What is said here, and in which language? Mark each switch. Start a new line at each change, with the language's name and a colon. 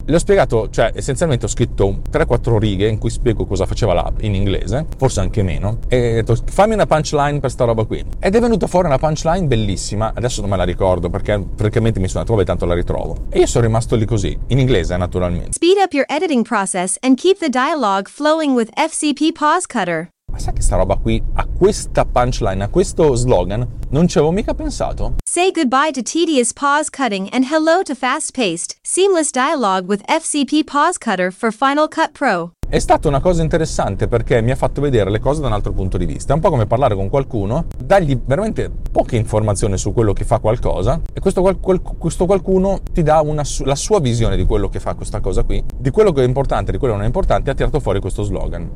Italian: Le ho spiegato, cioè essenzialmente ho scritto 3-4 righe in cui spiego cosa faceva l'app in inglese, forse anche meno, e ho detto: fammi una punchline per sta roba qui. Ed è venuta fuori una punchline bellissima, adesso non me la ricordo perché francamente mi sono detto: vabbè, tanto la ritrovo. E io sono rimasto lì così, in inglese naturalmente.
English: Speed up your editing process and keep the dialogue flowing with FCP Pause Cutter.
Italian: Ma sai che sta roba qui, a questa punchline, a questo slogan, non ci avevo mica pensato.
English: Say goodbye to tedious pause cutting and hello to fast-paced, seamless dialogue with FCP Pause Cutter for Final Cut Pro.
Italian: È stata una cosa interessante perché mi ha fatto vedere le cose da un altro punto di vista. È un po' come parlare con qualcuno, dargli veramente poche informazioni su quello che fa qualcosa, e questo qualcuno ti dà la sua visione di quello che fa questa cosa qui, di quello che è importante, di quello che non è importante, ha tirato fuori questo slogan.